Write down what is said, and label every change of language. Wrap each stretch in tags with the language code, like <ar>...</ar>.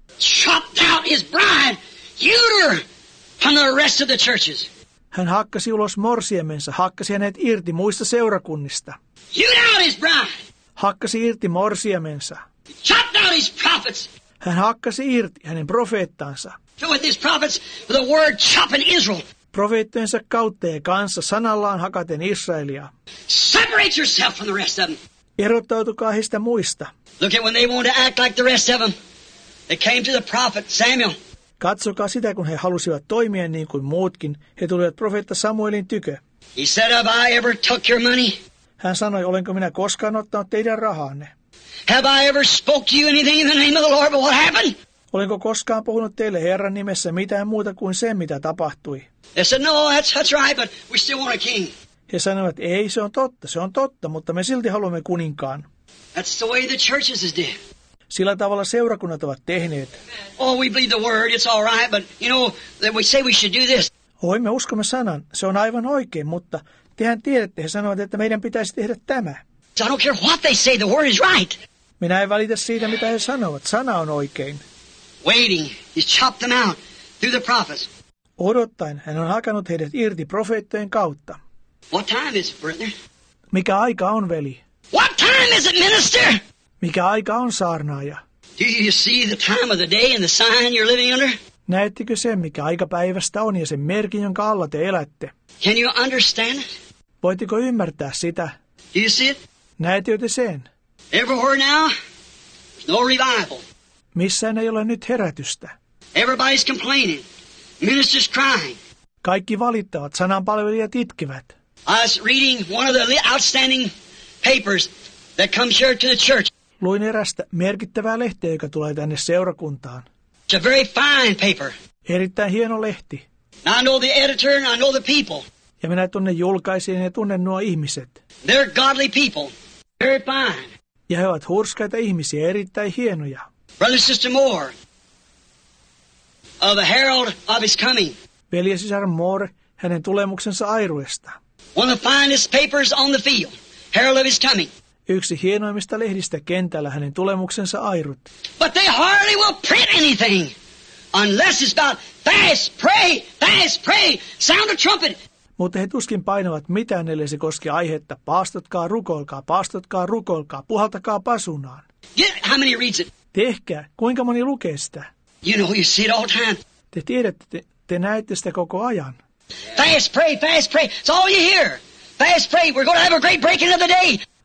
<en>Chopped out his bride, Uter, from the rest of the churches.</en> <fi>Hän hakkasi ulos morsiemensa, hakkasi hänet irti muista seurakunnista.</fi> <en>Uter out his bride.</en> <fi>Hakkasi irti morsiemensa.</fi> <en>Chopped out his prophets.</en> <fi>Hän hakkasi irti hänen profeettansa.</fi> <en>So with his prophets, the word chopping Israel.</en> <fi>Profeettojensa kautta ja kanssa sanallaan hakaten Israelia.</fi> <en>Separate yourself from the rest of them.</en> <fi>Erottautukaa heistä muista.</fi> <en>Look at when they wanted to act like the rest of them. They came to the prophet Samuel.</en> <fi>Katsokaa sitä, kun he halusivat toimia niin kuin muutkin. He tulivat profeetta Samuelin tykö.</fi> <en>He said, have I ever took your money?</en> <fi>Hän sanoi, olenko minä koskaan ottanut teidän rahanne?</fi> <en>Have I ever spoke to you anything in the name of the Lord, but what happened?</en> <fi>Olenko koskaan puhunut teille Herran nimessä mitään muuta kuin sen, mitä tapahtui?</fi> <en>They said, no, that's right, but we still want a king.</en> <fi>He sanoivat, ei, se on totta, mutta me silti haluamme kuninkaan.</fi> <en>That's the way the churches is doing.</en> <fi>Sillä tavalla seurakunnat ovat tehneet.</fi> <en>Oh, we believe the word, it's all right, but you know, then we say we should do this.</en> <fi>Oi, me uskomme sanan, se on aivan oikein, mutta tehän tiedätte, he sanovat, että meidän pitäisi tehdä tämä.</fi> <en>So I don't care what they say, the word is right.</en> <fi>Minä en välitä siitä, mitä he sanovat, sana on oikein.</fi> <en>Waiting, he's chopped them out through the prophets.</en> <fi>Odottaen, hän on hakanut heidät irti profeettojen kautta.</fi> <en>What time is it, brother?</en> <fi>Mikä aika on, veli?</fi> <en>What time is it, minister?</en> <fi>Mikä aika on, saarnaaja?</fi> <en>Do you see the time of the day and the sign you're living under?</en> <fi>Näettekö sen, mikä aika päivästä on ja sen merkin, jonka alla te elätte?</fi> <en>Can you understand it?</en> <fi>Voitteko ymmärtää sitä?</fi> <en>Do you see it?</en> <fi>Näettekö te sen?</fi> <en>Everywhere now, there's no revival.</en> <fi>Missään ei ole nyt herätystä.</fi> <en>Everybody's complaining. Ministers crying.</en> <fi>Kaikki valittavat, sananpalvelijat itkevät.</fi> <en>I was reading one of the outstanding papers that comes here to the church.</en> <fi>Luin erästä merkittävää lehteä, joka tulee tänne seurakuntaan.</fi> <en>It's a very fine paper.</en> <fi>Erittäin hieno lehti.</fi> <en>I know the editor and I know the people.</en> <fi>Ja minä tunnen julkaisijan ja tunnen nuo ihmiset.</fi> <en>They're godly people. Very fine.</en> <fi>Ja he ovat hurskaita ihmisiä, erittäin hienoja.</fi> <en>Brother and sister Moore, of the herald of his coming.</en> <fi>Veli ja sisar Moore, hänen tulemuksensa airuesta.</fi> <en>One of the finest papers on the field, herald of his coming.</en> <fi>Yksi hienoimmista lehdistä kentällä hänen tulemuksensa airut.</fi> <en>But they hardly will print anything unless it's about fast, pray, sound a trumpet.</en> <fi>Mutta he tuskin painavat mitään, ellei se koski aihetta. Paastotkaa, rukoilkaa, puhaltakaa pasunaan.</fi> <en>How many reads it?</en> <fi>Tehkää, kuinka moni lukee sitä?</fi> <en>You know, you see it all time.</en> <fi>Te tiedätte, te näette sitä koko ajan.</fi> <en>Fast, pray, it's all you hear. Fast, pray, we're going to have a great breaking of the day.</en>